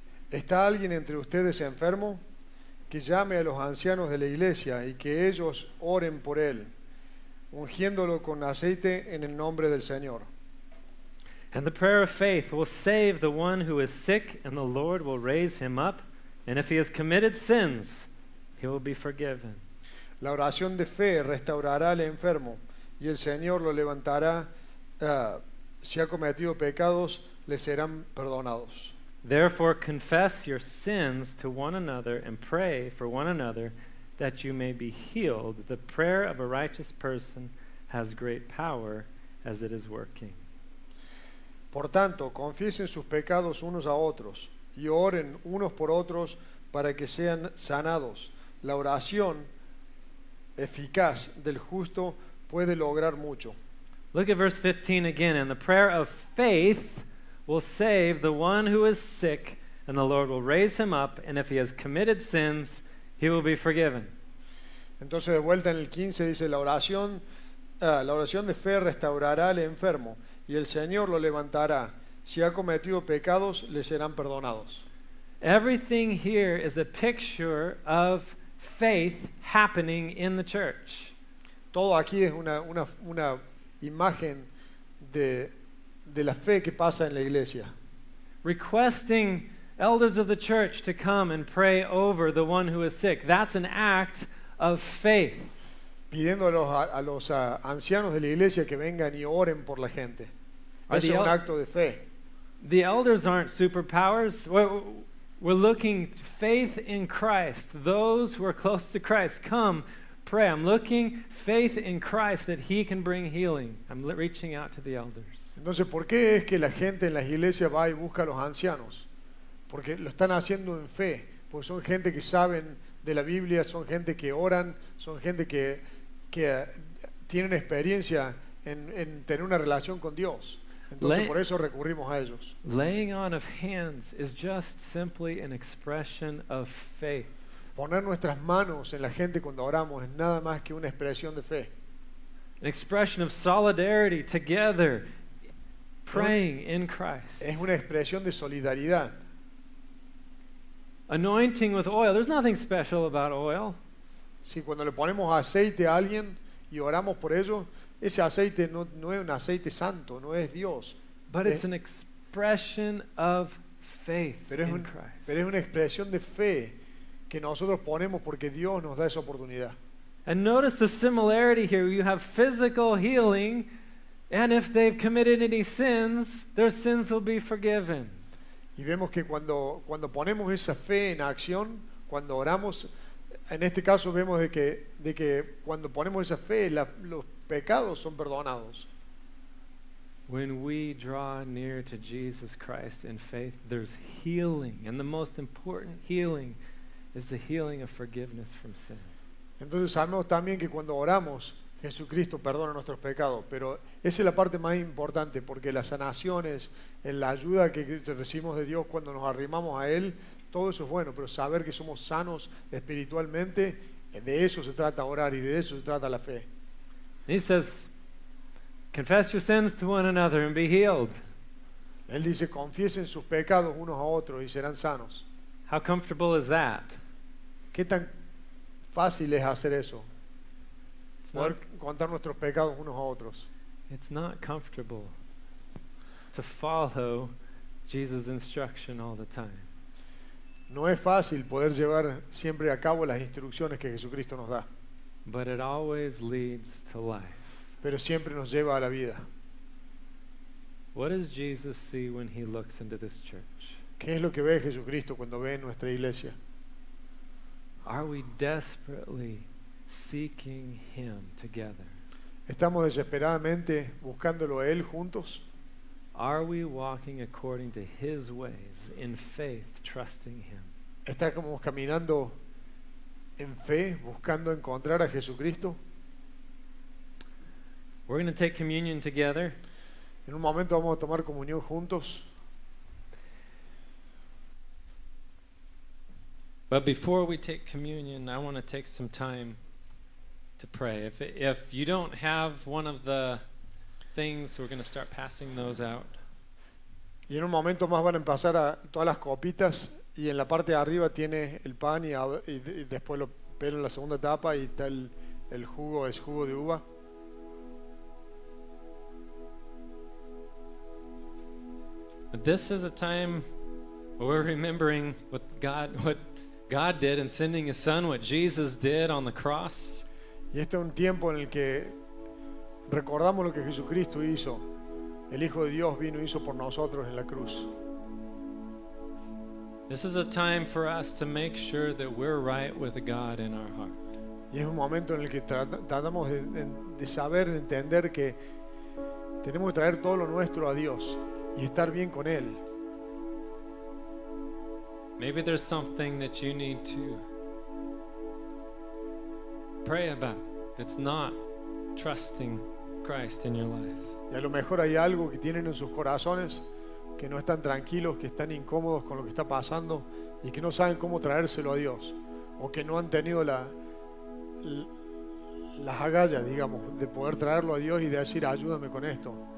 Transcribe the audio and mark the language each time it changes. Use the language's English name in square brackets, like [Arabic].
[Spanish] ¿Está alguien entre ustedes enfermo? Que llame a los ancianos de la iglesia y que ellos oren por él, ungiéndolo con aceite en el nombre del Señor. [English] And the prayer of faith will save the one who is sick, and the Lord will raise him up, and if he has committed sins, he will be forgiven. [Spanish] La oración de fe restaurará al enfermo, y el Señor lo levantará. Si ha cometido pecados, le serán perdonados. [English] Therefore, confess your sins to one another and pray for one another that you may be healed. The prayer of a righteous person has great power as it is working. [Spanish] Por tanto, confiesen sus pecados unos a otros y oren unos por otros para que sean sanados. La oración eficaz del justo puede lograr mucho. [English] Look at verse 15 again. And the prayer of faith will save the one who is sick, and the Lord will raise him up, and if he has committed sins, he will be forgiven. [Spanish] Entonces, de vuelta en el 15 dice, la oración de fe restaurará al enfermo, y el Señor lo levantará. Si ha cometido pecados, le serán perdonados. [English] Everything here is a picture of faith happening in the church. [Spanish] Todo aquí es una imagen de la fe que pasa en la iglesia. [English] Requesting elders of the church to come and pray over the one who is sick. That's an act of faith. [Spanish] Pidiendo a los ancianos de la iglesia que vengan y oren por la gente. Es un acto de fe. [English] The elders aren't superpowers. We're looking to faith in Christ. Those who are close to Christ, come pray. I'm looking faith in Christ that he can bring healing. I'm reaching out to the elders. [Spanish] Entonces, ¿por qué es que la gente en las iglesias va y busca a los ancianos? Porque lo están haciendo en fe, porque son gente que saben de la Biblia, son gente que oran, son gente que tienen experiencia en tener una relación con Dios. Entonces, por eso recurrimos a ellos. [English] Laying on of hands is just simply an expression of faith. [Spanish] Poner nuestras manos en la gente cuando oramos es nada más que una expresión de fe. [English] An expression of solidarity together. Praying in Christ. [Spanish] Es una expresión de solidaridad. [English] Anointing with oil. There's nothing special about oil. [Spanish] Sí, cuando le ponemos aceite a alguien y oramos por ello, ese aceite no es un aceite santo, no es Dios. [English] But it's an expression of faith in Christ. [Spanish] Pero es una expresión de fe que nosotros ponemos porque Dios nos da esa oportunidad. [English] And notice the similarity here. You have physical healing. And if they've committed any sins, their sins will be forgiven. [Spanish] Y vemos que cuando ponemos esa fe en acción, cuando oramos, en este caso vemos de que cuando ponemos esa fe, los pecados son perdonados. [English] When we draw near to Jesus Christ in faith, there's healing, and the most important healing is the healing of forgiveness from sin. [Spanish] Entonces sabemos también que cuando oramos, Jesucristo perdona nuestros pecados, pero esa es la parte más importante, porque las sanaciones, la ayuda que recibimos de Dios cuando nos arrimamos a Él, todo eso es bueno, pero saber que somos sanos espiritualmente, de eso se trata orar y de eso se trata la fe. [English] He says, confess your sins to one another and be healed. [Spanish] Él dice, confiesen sus pecados unos a otros y serán sanos. [English] How comfortable is that? [Spanish] ¿Qué tan fácil es hacer eso? Poder contar nuestros pecados unos a otros. [English] It's not comfortable to follow Jesus' instruction all the time. [Spanish] No es fácil poder llevar siempre a cabo las instrucciones que Jesucristo nos da. [English] But it always leads to life. [Spanish] Pero siempre nos lleva a la vida. [English] What does Jesus see when he looks into this church? [Spanish] ¿Qué es lo que ve Jesucristo cuando ve en nuestra iglesia? [English] Are we desperately seeking him together? [Spanish] ¿Estamos desesperadamente buscándolo a él juntos? [English] Are we walking according to his ways in faith, trusting him? [Spanish] ¿Estamos caminando en fe, buscando encontrar a Jesucristo? [English] We're going to take communion together. [Spanish] En un momento vamos a tomar comunión juntos. [English] But before we take communion, I want to take some time to pray. If you don't have one of the things, we're going to start passing those out. [Spanish] Y en un momento más van a pasar a todas las copitas, y en la parte de arriba tiene el pan y después lo pela en la segunda etapa y está el jugo, es jugo de uva. [English] But this is a time where we're remembering what God did in sending his son, what Jesus did on the cross. [Spanish] Y este es un tiempo en el que recordamos lo que Jesucristo hizo. El Hijo de Dios vino y hizo por nosotros en la cruz. [English] This is a time for us to make sure that we're right with God in our heart. [Spanish] Y es un momento en el que tratamos de saber, de entender que tenemos que traer todo lo nuestro a Dios y estar bien con Él. [English] Maybe there's something that you need to pray about that's not trusting Christ in your life. [Spanish] Y a lo mejor hay algo que tienen en sus corazones que no están tranquilos, que están incómodos con lo que está pasando y que no saben cómo traérselo a Dios, o que no han tenido las agallas, digamos, de poder traerlo a Dios y de decir, ayúdame con esto.